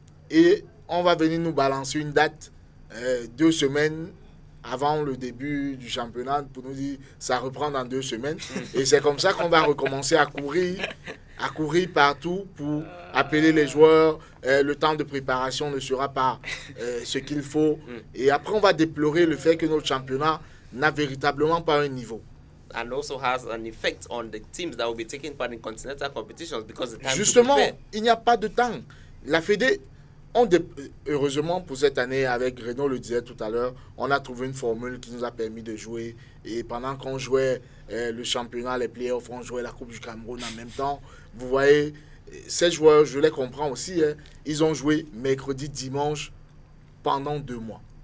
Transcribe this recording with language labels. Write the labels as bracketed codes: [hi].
[fr] Et on va venir nous balancer une date deux semaines avant le début du championnat pour nous dire que ça reprend dans deux semaines. Et c'est comme ça qu'on va recommencer à courir partout pour appeler les joueurs. Le temps de préparation ne sera pas ce qu'il faut. Et après, on va déplorer le fait que notre championnat n'a véritablement pas un niveau. [en] And also has an effect on the teams that will be taking part in continental competitions because the time. [fr] Justement, il n'y a pas de temps. La Fédé, heureusement pour cette année, avec Renaud le disait tout à l'heure, on a trouvé une formule qui nous a permis de jouer. Et pendant qu'on jouait le championnat, les playoffs, on jouait la Coupe du Cameroun en même temps. Vous voyez, ces joueurs, je les comprends aussi, ils ont joué mercredi, dimanche pendant deux mois.